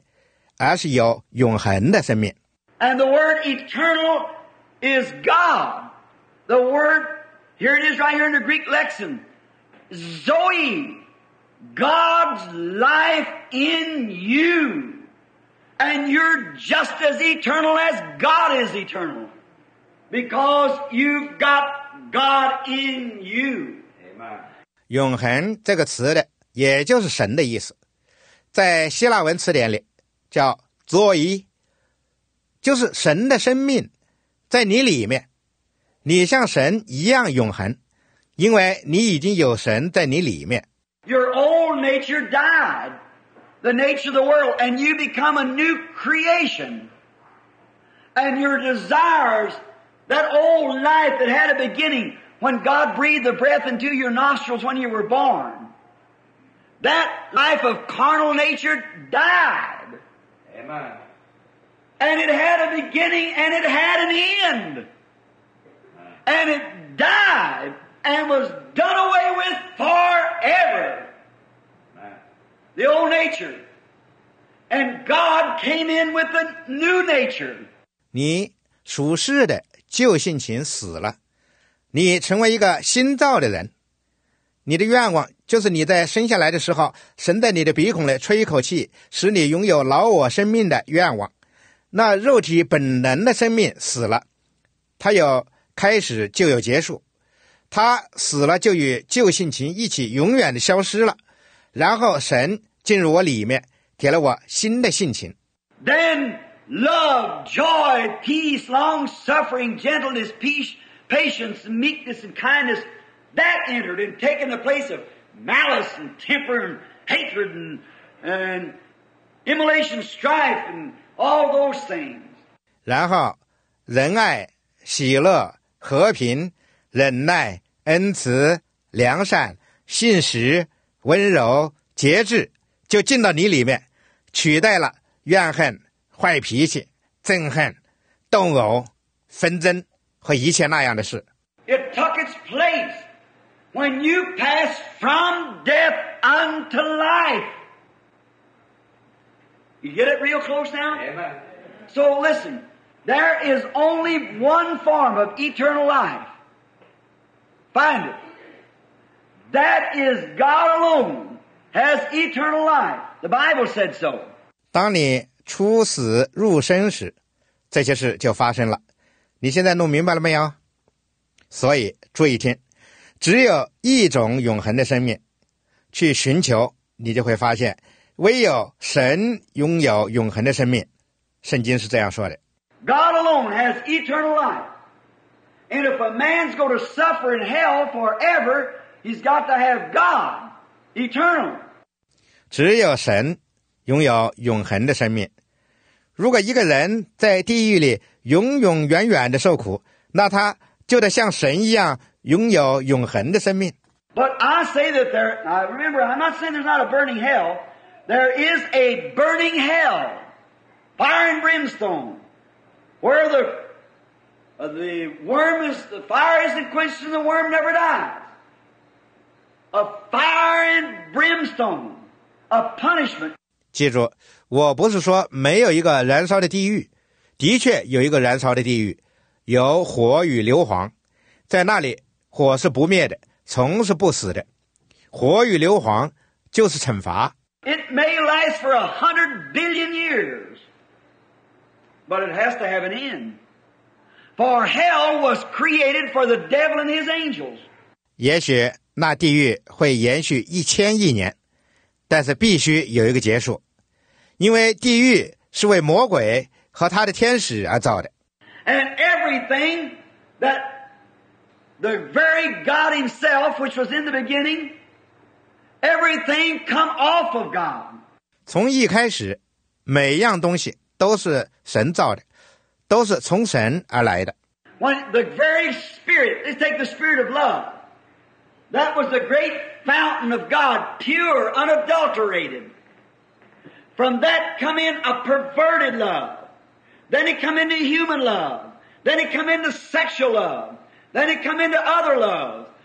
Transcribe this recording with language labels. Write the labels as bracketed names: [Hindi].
[Chinese] 因此，耶稣并不是这样说。那听我话又信差我来者的，就有永远的生命。那听起来对吗？不对，而是有永恒的生命。 [English] And the word eternal is God. The word Here it is right here in the Greek lexicon. Zoe, God's life in you. And you're just as eternal as God is eternal. Because you've got God in you. Amen. [Chinese] 永恒这个词的也就是神的意思。在希腊文词典里叫 Zoe， 就是神的生命在你里面。你像神一样永恒，因为你已经有神在你里面。 [English] Your old nature died, the nature of the world, and you become a new creation. And your desires, that old life that had a beginning when God breathed the breath into your nostrils when you were born, that life of carnal nature died. Amen. And it had a beginning and it had an end. And it died and was done away with forever. The old nature. And God came in with a new nature. [Chinese] 你属世的旧性情死了，你成为一个新造的人。你的愿望就是你在生下来的时候，神在你的鼻孔里吹一口气，使你拥有老我生命的愿望。那肉体本能的生命死了，它有开始就有结束，他死了就与旧性情一起永远的消失了，然后神进入我里面，给了我新的性情。 [English] Then love, joy, peace, long suffering, gentleness, peace, patience, meekness, and kindness that entered and taken the place of malice and temper and hatred and immolation, strife, and all those things. [Chinese] 然后仁爱、喜乐、和平、忍耐、恩慈、良善、信实、温柔、节制，就进到你里面，取代了怨恨、坏脾气、憎恨、斗殴、纷争和一切那样的事。 [English] It took its place when you pass from death unto life. You get it real close now? Amen. So listen. There is only one form of eternal life. Find it. That is God alone has eternal life. The Bible said so. [Chinese] 当你出死入生时，这些事就发生了。你现在弄明白了没有？所以注意听，只有一种永恒的生命，去寻求，你就会发现，唯有神拥有永恒的生命。圣经是这样说的。 [English] God alone has eternal life. And if a man's going to suffer in hell forever, he's got to have God, eternal. [Chinese] 只有神拥有永恒的生命。如果一个人在地狱里永永远远的受苦，那他就得像神一样拥有永恒的生命。 [English] But I say that there, I remember, I'm not saying there's not a burning hell. There is a burning hell, fire and brimstone. Where the worm is, the fire isn't quenched and the worm never dies. A fire and brimstone, a punishment. [Chinese] 记住，我不是说没有一个燃烧的地狱，的确有一个燃烧的地狱，有火与硫磺，在那里火是不灭的，虫是不死的，火与硫磺就是惩罚。 [English] It may last for 100 billion years. But it has to have an end. For hell was created for the devil and his angels. [Chinese] 也许那地狱会延续1000亿年，但是必须有一个结束，因为地狱是为魔鬼和他的天使而造的。 [English] And everything that the very God himself, which was in the beginning, everything come off of God. [Chinese] 从一开始，每样东西都是神造的，都是从神而来的。 [English] When the very spirit, let's take the spirit of love, that was the great fountain of God, pure, unadulterated. From that come in a perverted love. Then it come into human love. Then it come into sexual love. Then it come into other loves.